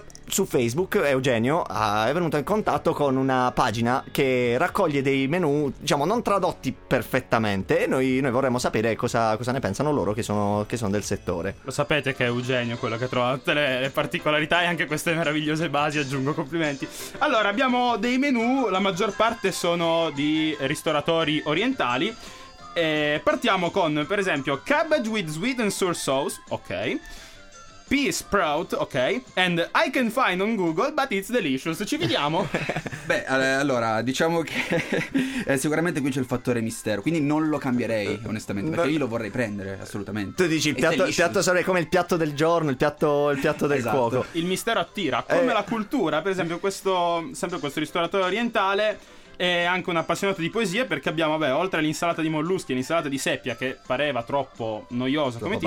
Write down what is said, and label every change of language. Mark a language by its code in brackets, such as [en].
[it] Su Facebook Eugenio è venuto in contatto con una pagina che raccoglie dei menu, diciamo, non tradotti perfettamente, e noi vorremmo sapere cosa ne pensano loro che sono del settore. Lo sapete che è Eugenio quello che trova tutte le particolarità e anche queste meravigliose basi, aggiungo, complimenti. Allora, abbiamo dei menu, la maggior parte sono di ristoratori orientali. E partiamo con, per esempio, [en] cabbage with sweet and sour sauce, ok, pea sprout, ok, and I can find on Google, but it's delicious. [it] Ci vediamo. Beh, allora, diciamo che sicuramente qui c'è il fattore mistero, quindi non lo cambierei, onestamente, perché io lo vorrei prendere, assolutamente. Tu dici, il piatto sarebbe come il piatto del giorno, il piatto del esatto. Cuoco. Il mistero attira, come la cultura, per esempio, questo ristoratore orientale è anche un appassionato di poesia, perché abbiamo, oltre all'insalata di molluschi e l'insalata di seppia, che pareva troppo noiosa come